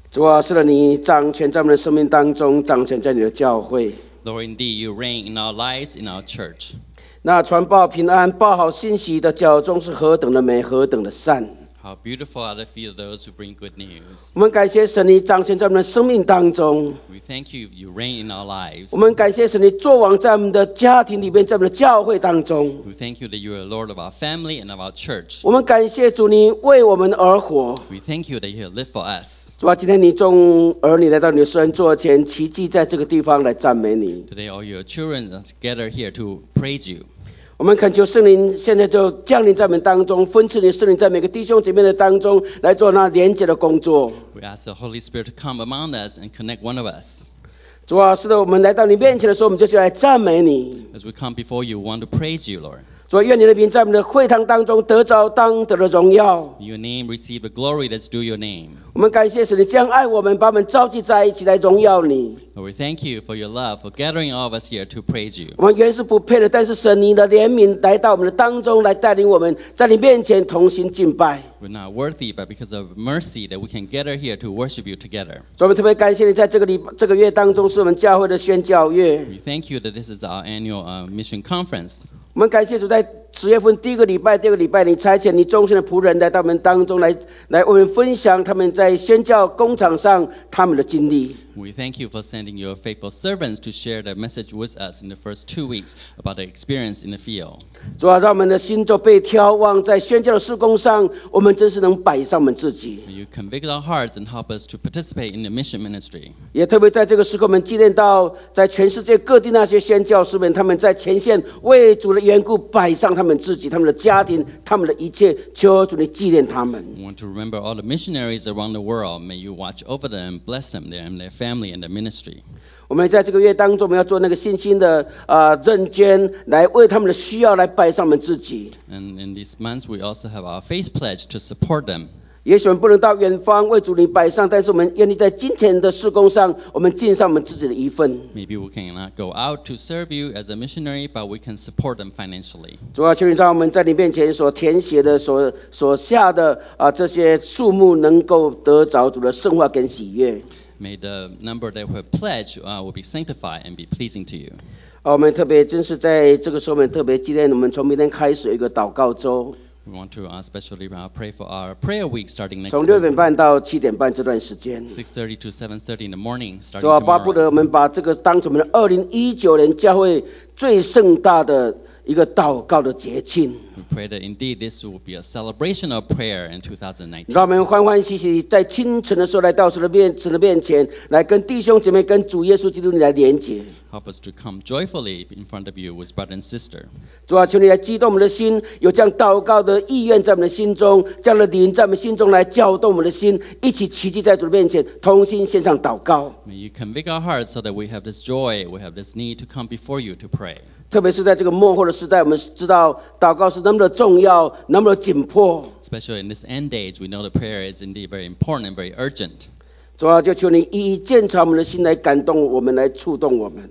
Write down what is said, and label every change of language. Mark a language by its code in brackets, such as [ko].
[zh] 主啊，是的，你掌权在我们的生命当中，掌权在你的教会。 [en] Lord, indeed, you reign in our lives, in our church. [zh] 那传报平安、报好信息的脚中是何等的美、何等的善。 [en] How beautiful are the feet of those who bring good news. [zh] 我们感谢神，你掌权在我们的生命当中。 [en] We thank you, you reign in our lives. [zh] 我们感谢神，你作王在我们的家庭里面，在我们的教会当中。 [en] We thank you that you are Lord of our family and of our church. [zh] 我们感谢主，你为我们而活。 [en] We thank you that you live for us. [zh] 主啊，今天你众儿女来到你的圣座前，齐聚在这个地方来赞美你。 [en] Today all your children are gathered here to praise you. [zh] 我们恳求圣灵现在就降临在我们当中，分赐你圣灵在每个弟兄姐妹的当中来做那连接的工作。 [en] We ask the Holy Spirit to come among us and connect one of us. [zh] 主啊，是的，我们来到你面前的时候，我们就是来赞美你。 [en] As we come before you, we want to praise you, Lord. [zh] 主啊，愿你的名在我们的会堂当中得着当得的荣耀。 [en] Your name receive the glory that's due your name. [zh] 我们感谢神，你这样爱我们，把我们召集在一起来荣耀你。 [en] Lord, we thank you for your love for gathering all of us here to praise you. [zh] 我们原是不配的，但是神你的怜悯来到我们的当中，来带领我们在你面前同心敬拜。 [en] We're not worthy, but because of mercy that we can gather here to worship you together. [zh] 主啊，我们特别感谢你在这个月当中是我们教会的宣教月。 [en] We thank you that this is our annual mission conference. [zh] 我们感谢主，在十月份第一个礼拜、第二个礼拜，你差遣你忠心的仆人来到我们当中来为我们分享他们在宣教工厂上他们的经历。 [en] We thank you for sending your faithful servants to share the message with us in the first 2 weeks about the experience in the field. [zh] 主啊，让我们的心就被挑望，在宣教的事工上，我们真是能摆上我们自己。 [en] You convict our hearts and help us to participate in the mission ministry. [zh] 也特别在这个时刻，我们纪念到在全世界各地那些宣教士们，他们在前线为主的缘故摆上他们自己、他们的家庭、他们的一切，求主你纪念他们。 [en] We want to remember all the missionaries around the world. May you watch over them, bless them, there and their family and the ministry. [zh] 我们在这个月当中，我们要做那个信心的认捐，来为他们的需要来摆上我们自己。 [en] And in these months, we also have our faith pledge to support them. [zh] 也许我们不能到远方为主你摆上，但是我们愿意在金钱的事工上，我们尽上我们自己的一份。 [en] Maybe we cannot go out to serve you as a missionary, but we can support them financially. [zh] 主啊，求你让我们在你面前所填写的、所下的这些数目，能够得着主的圣化跟喜悦。 [en] May the number that we have pledged will be sanctified and be pleasing to you. [zh] 我们特别正是在这个时候，我们特别纪念我们从明天开始有一个祷告周。 [en] We want to especially pray for our prayer week starting next. [zh] 从六点半到七点半这段时间。 [en] 6:30 to 7:30 in the morning starting tomorrow. [zh] 主啊，巴不得我们把这个当成我们的2019年教会最盛大的一个祷告的节庆。 [en] We pray that indeed this will be a celebration of prayer in 2019. [zh] 让我们欢欢喜喜在清晨的时候来到神的面前，来跟弟兄姐妹、跟主耶稣基督来连接。 [en] Help us to come joyfully in front of you with brother and sister. [zh] 主啊，求你来激动我们的心，有这样祷告的意愿在我们的心中，这样的灵在我们心中来搅动我们的心，一起齐聚在主的面前，同心献上祷告。 [en] May you convict our hearts so that we have this joy, we have this need to come before you to pray. [zh] 特别是在这个末后的时代，我们知道祷告是那么的重要，那么的紧迫。 [en] Especially in this end age, we know that prayer is indeed very important and very urgent. [zh] 主啊，就求你一一鉴察我们的心，来感动我们，来触动我们。